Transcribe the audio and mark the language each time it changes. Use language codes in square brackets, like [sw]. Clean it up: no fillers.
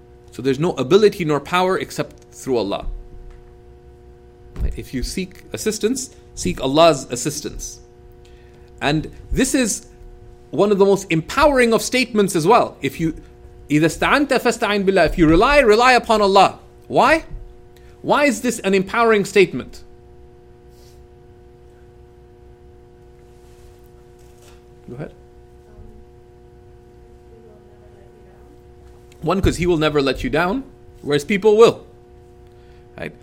[en] So there's no ability nor power except through Allah. If you seek assistance, seek Allah's assistance. And this is one of the most empowering of statements as well. If you [ar] إِذَا اسْتَعَنْتَ فَاسْتَعِنْ بِاللَّهِ. [en] If you rely, rely upon Allah. Why? Why is this an empowering statement? Go ahead. One, because He will never let you down, whereas people will. Right?